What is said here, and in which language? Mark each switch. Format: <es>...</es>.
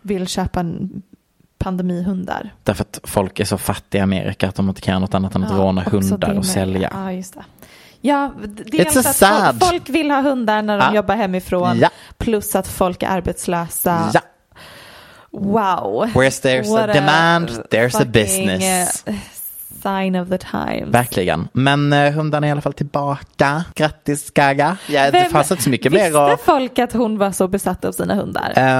<sv>Vill köpa pandemihundar. Därför att folk är så fattiga i Amerika att de inte kan göra något annat än att råna hundar och sälja. Ja, just det. Ja, dels att folk vill ha hundar när de jobbar hemifrån. Ja. Plus att folk är arbetslösa. Ja. Wow.</sv> <en>Where's there's a demand, there's a business. Sign of the times.</en> <sv>Verkligen. Men hunden är i alla fall tillbaka. Grattis Gaga. Ja, det fanns inte så mycket mer. Visste folk att hon var så besatt av sina hundar?</sv>